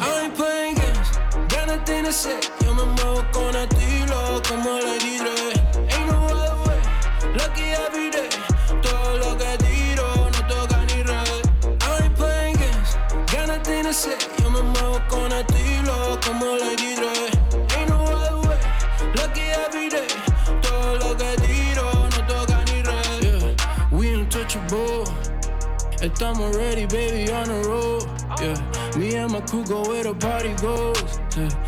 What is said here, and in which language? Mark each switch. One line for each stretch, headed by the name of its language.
English: I ain't playing games, gonna think I said.
Spanish: Yo me muevo con estilo como le diré.
English: Ain't no other way, lucky every day.
Spanish: Todo lo que tiro no toca ni red.
English: I ain't playing games, gonna think I said.
Spanish: Con estilo como Lady Dre.
English: Ain't no other way, lucky every day.
Spanish: Todo lo que tiro no toca ni red, yeah.
English: We untouchable.
Spanish: Estamos
English: ready, baby, on the road, yeah. Me and my crew go where the party goes, yeah.